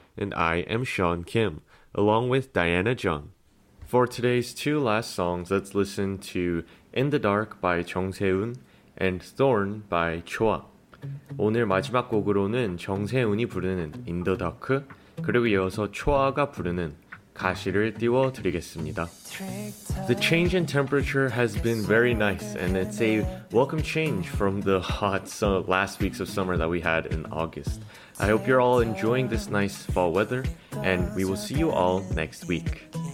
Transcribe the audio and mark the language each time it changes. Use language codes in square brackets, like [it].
[en] And I am Sean Kim, along with Diana Jung. For today's two last songs, let's listen to In the Dark by Jung Se-eun and Thorn by Choa. [ko] 오늘 마지막 곡으로는 정세훈이 부르는 In the Dark, 그리고 이어서 초아가 부르는 가시를 띄워드리겠습니다. [en] The change in temperature has been very nice, and it's a welcome change from the hot last weeks of summer that we had in August. I hope you're all enjoying this nice fall weather, and we will see you all next week.